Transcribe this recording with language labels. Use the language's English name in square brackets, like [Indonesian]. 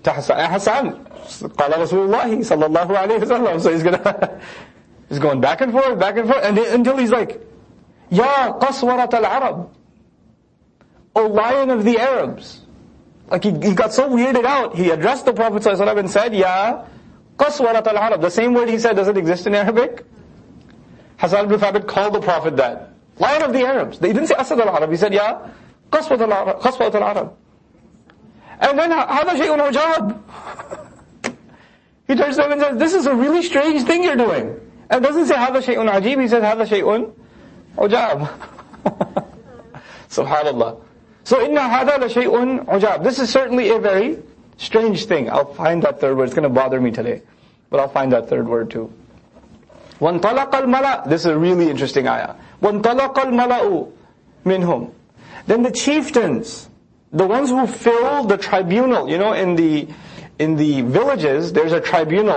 [Arabic] To Hassan, قَالَ رَسُولُ اللَّهِ صَلَّى اللَّهُ عَلَيْهِ وَسَلَّمُ. [English] So he's gonna, he's going back and forth, and until he's like, [Arabic] يَا قَصْوَرَةَ الْعَرَبِ. [English] O lion of the Arabs. Like he got so weirded out, he addressed the Prophet ﷺ and said, [Arabic] يَا قَصْوَرَةَ الْعَرَبِ. [English] The same word he said doesn't exist in Arabic. Hassan ibn Thabit called the Prophet that. Lion of the Arabs. He didn't say Asad al-Arab, he said, [Arabic] يَا قَصْوَرَةَ الْعَرَبِ. [English] And then, [Arabic] هَذَا شَيْءٌ عَجَابٌ. [English] He turns to him and says, this is a really strange thing you're doing. And doesn't say, [Arabic] هَذَا شَيْءٌ عَجِيبٌ, [English] he says, [Arabic] هَذَا شَيْءٌ عَجَابٌ. SubhanAllah. [English] So, [Arabic] إِنَّ هَذَا لَشَيْءٌ عَجَابٌ. [English] This is certainly a very strange thing. I'll find that third word. It's going to bother me today. But I'll find that third word too. [Arabic] وَانْطَلَقَ الْمَلَأُ. [English] This is a really interesting ayah. [Arabic] وَانْطَلَقَ الْمَلَأُ مِنْهُمْ. [English] Then the chieftains, the ones who fill the tribunal, you know, in the villages, there's a tribunal.